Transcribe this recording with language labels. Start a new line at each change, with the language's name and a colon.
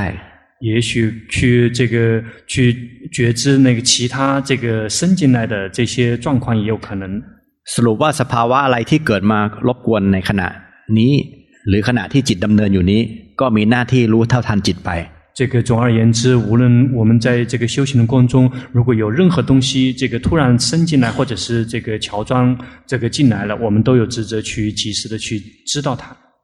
Chinese: 也许去这个去觉知那个其他这个伸进来的这些状况也有可能
Thai: สรุปว่าสภาวะอะไรที่เกิดมารบกวนในขณะนี้หรือขณะที่จิตดำเนินอยู่นี้ก็มีหน้าที่รู้เท่าทันจิตไป
Chinese: 这个总而言之无论我们在这个修行的过程中如果有任何东西这个突然伸进来或者是这个乔装这个进来了我们都有职责去及时的去知道它